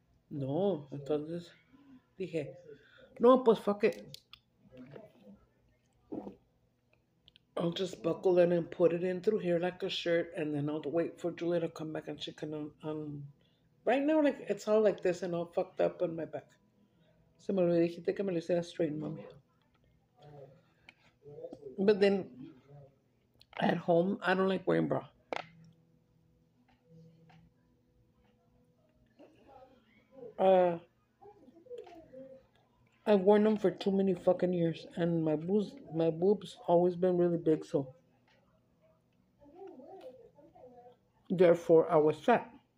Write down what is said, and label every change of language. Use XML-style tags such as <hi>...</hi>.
<es>No, entonces dije, no, pues</es> <en>fuck it. I'll just buckle it and put it in through here like a shirt, and then I'll wait for Julia to come back and she can right now, like, it's all like this and all fucked up on my back.</en> <es>Se me olvidó dijiste que me lo hiciera straight, mami.</es> <en>But then, at home, I don't like wearing bra. I've worn them for too many fucking years, and my boobs always been really big, so therefore I was fat.</en>